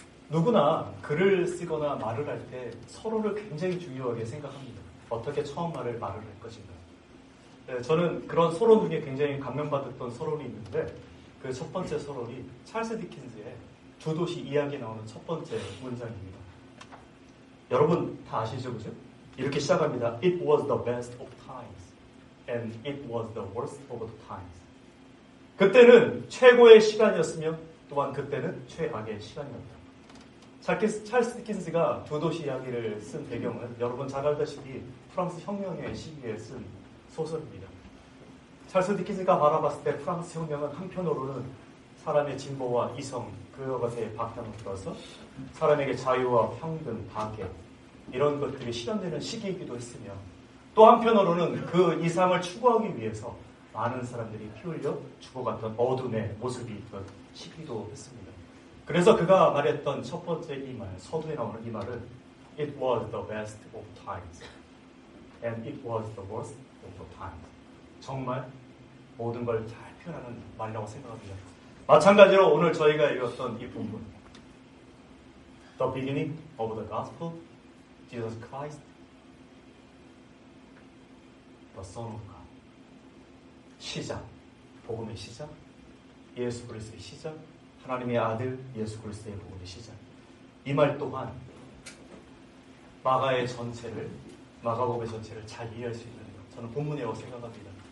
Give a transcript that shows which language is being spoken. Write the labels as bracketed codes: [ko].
[ko] 누구나 글을 쓰거나 말을 할 때 서로를 굉장히 중요하게 생각합니다. 어떻게 처음 말을 말을 할 것인가? 네, 저는 그런 서론 중에 굉장히 감명받았던 서론이 있는데 그 첫 번째 서론이 찰스 디킨즈의 두 도시 이야기에 나오는 첫 번째 문장입니다. 여러분 다 아시죠? 그죠? 이렇게 시작합니다. [en] It was the best of times and it was the worst of the times. [ko] 그때는 최고의 시간이었으며 또한 그때는 최악의 시간이었다. 찰스 디킨스가 두 도시 이야기를 쓴 배경은 여러분 잘 알다시피 프랑스 혁명의 시기에 쓴 소설입니다. 찰스 디킨스가 바라봤을 때 프랑스 혁명은 한편으로는 사람의 진보와 이성, 그것에 박탈을 들어서 사람에게 자유와 평등, 박해 이런 것들이 실현되는 시기이기도 했으며 또 한편으로는 그 이상을 추구하기 위해서 많은 사람들이 피 흘려 죽어갔던 어둠의 모습이 있던 시기도 했습니다. 그래서 그가 말했던 첫 번째 이 말, 서두에 나오는 이 말은 [en] It was the best of times and it was the worst of the times. [ko] 정말 모든 걸 잘 표현하는 말이라고 생각합니다. 마찬가지로 오늘 저희가 읽었던 이 본문 [en] The beginning of the gospel Jesus Christ The Son of God [ko] 시작 복음의 시작 예수 그리스도의 시작 하나님의 아들 예수 그리스도의 복음의 시작 이 말 또한 마가의 전체를 마가복음의 전체를 잘 이해할 수 있는 것 저는 본문이라고 생각합니다.